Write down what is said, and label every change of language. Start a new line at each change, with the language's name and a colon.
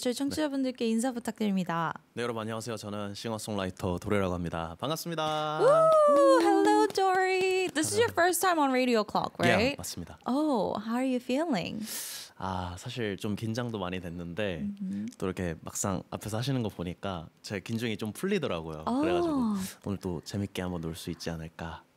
Korean: 저희 청취자분들께 인사 부탁드립니다. 네, 여러분 안녕하세요. 저는 싱어송라이터 도리라고 합니다. 반갑습니다.
English: Hello, Dory. This is your first time on Radio Clock, right? Yeah,
Korean: 맞습니다.
English: Oh, how are you feeling?
Korean: 아, 사실 좀 긴장도 많이 됐는데 또 이렇게 막상 앞에서 하시는 거 보니까 제 긴장이 좀 풀리더라고요. 그래가지고 오늘 또 재밌게 한번 놀 수 있지 않을까